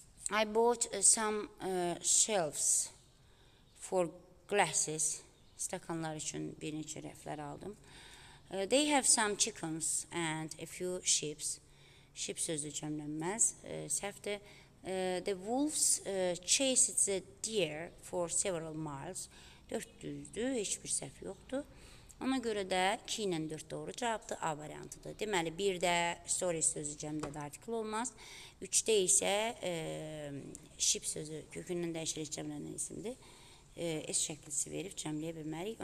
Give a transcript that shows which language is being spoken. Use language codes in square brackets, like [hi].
[en] I bought some shelves for glasses. [az] Stakanlar üçün bir neçə rəflər aldım. [en] They have some chickens and a few sheep. [az] Sheep sözü cəmlənməz. Səhvdir. [en] The wolves chased the deer for several miles. [az] 400-dür, heç bir səhv yoxdur. Ona görə də 2 ilə 4 doğru cavabdır, A variantıdır. Deməli, 1-də story sözü cəmdə də artikl olmaz. 3-də isə ship sözü kökündən dəyişirik cəmlənən isimdir. S şəklisi verib cəmləyə bilmərik.